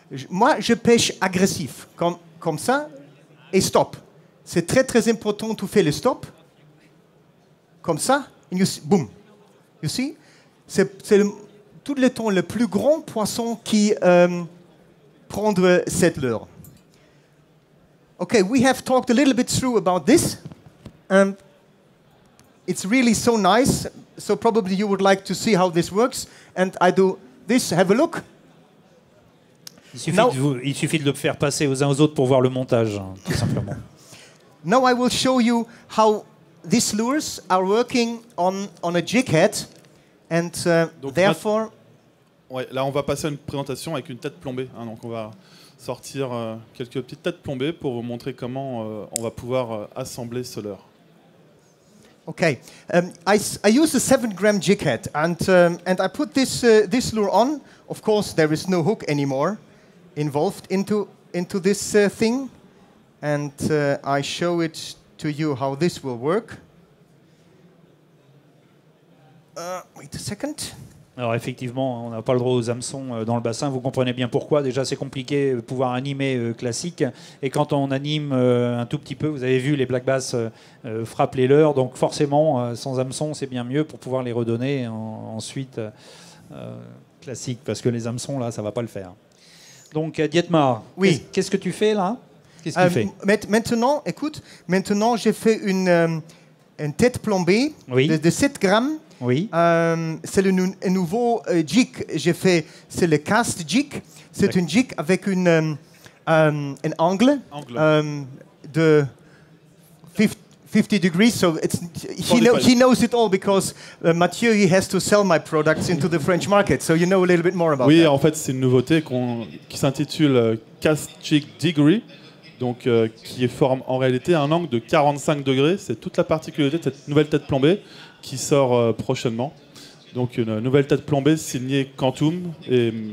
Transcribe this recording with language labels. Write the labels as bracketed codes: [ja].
[fr] Moi, je pêche agressif, comme ça, et stop. C'est très, très important, tu fais le stop, comme ça, et boum. [en] You see? [fr] C'est tout le temps le plus grand poisson qui prend cette leurre. [en] Okay, we have talked a little bit through about this. It's really so nice. So probably you would like to see how this works. And I do this, have a look. [fr] Il suffit de le faire passer aux uns aux autres pour voir le montage, tout simplement. [en] Now I will show you how these lures are working on a jig head. And therefore... [fr] Ouais, là, on va passer à une présentation avec une tête plombée. Hein, donc, on va sortir quelques petites têtes plombées pour vous montrer comment on va pouvoir assembler ce leurre. [en] OK. I use a 7-gram jig head. And I put this lure on. Of course, there is no hook anymore involved into this thing. And I show it to you how this will work. Wait a second. [fr] Alors effectivement, on n'a pas le droit aux hameçons dans le bassin, vous comprenez bien pourquoi. Déjà, c'est compliqué de pouvoir animer classique. Et quand on anime un tout petit peu, vous avez vu, les black bass frappent les leurres. Donc forcément, sans hameçons, c'est bien mieux pour pouvoir les redonner ensuite classique. Parce que les hameçons, là, ça ne va pas le faire. Donc, Dietmar, oui. Qu'est-ce que tu fais là? Qu'est-ce que tu fais? Maintenant, j'ai fait une tête plombée, oui. de 7 grammes. Oui. C'est un nouveau jig que j'ai fait. C'est le cast jig. C'est un jig avec un angle de 50 degrees. [en] So it's he knows it all because Mathieu, he has to sell my products into the French market. So you know a little bit more about [fr] oui, Oui, en fait, c'est une nouveauté qui s'intitule cast jig degree. Donc, qui forme en réalité un angle de 45 degrés. C'est toute la particularité de cette nouvelle tête plombée qui sort prochainement. Donc, une nouvelle tête plombée signée Quantum. Et